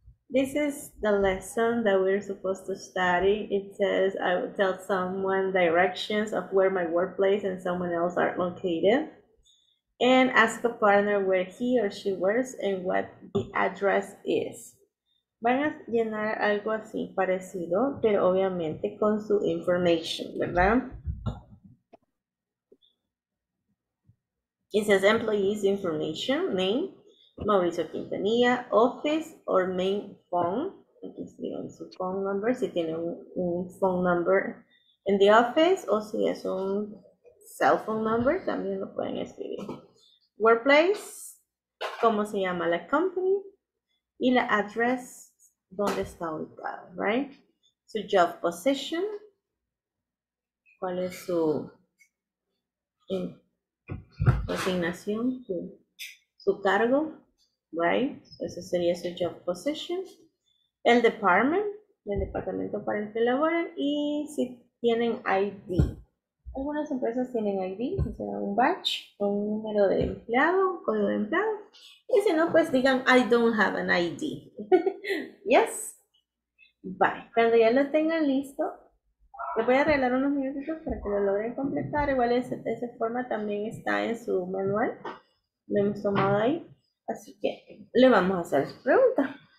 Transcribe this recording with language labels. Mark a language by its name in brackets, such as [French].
[English] This is the lesson that we're supposed to study. It says I will tell someone directions of where my workplace and someone else are located, and ask a partner where he or she works and what the address is. [Spanish] Van a llenar algo así parecido, pero obviamente con su information, ¿verdad? [English] It says employees information, name, Mauricio Quintanilla, office or main phone. [Spanish] Aquí escriben su phone number, si tiene un phone number [English] in the office [Spanish] o si es un cell phone number, también lo pueden escribir. Workplace, cómo se llama la company y la address, donde está ubicado, right? Su job position, cuál es su... asignación, su cargo, right? Ese sería su job position. El departamento para el que laboran. Y si tienen ID. Algunas empresas tienen ID, o sea, un badge, un número de empleado, un código de empleado. Y si no, pues digan, [English] I don't have an ID. Yes? Bye. [Spanish] Cuando ya lo tengan listo, les voy a regalar unos minutitos para que lo logren completar. Igual esa forma también está en su manual. Lo hemos tomado ahí. Así que le vamos a hacer su pregunta.